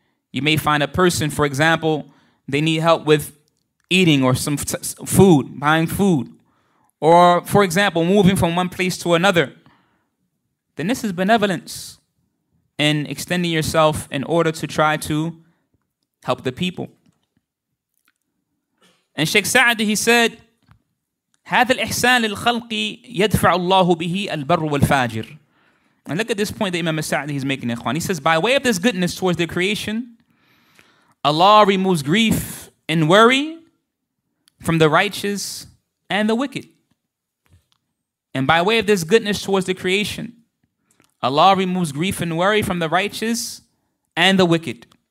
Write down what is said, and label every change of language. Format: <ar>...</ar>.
<en>You may find a person, for example, they need help with eating or some food, buying food. Or, for example, moving from one place to another. Then this is benevolence in extending yourself in order to try to help the people. And Sheikh Sa'ad, he said,</en> <ar>هذا الإحسان للخلق يدفع الله به البر والفاجر.</ar> <en>And look at this point that Imam Sa'adi is making, Ikhwan. He says, by way of this goodness towards the creation, Allah removes grief and worry from the righteous and the wicked. And by way of this goodness towards the creation, Allah removes grief and worry from the righteous and the wicked.</en>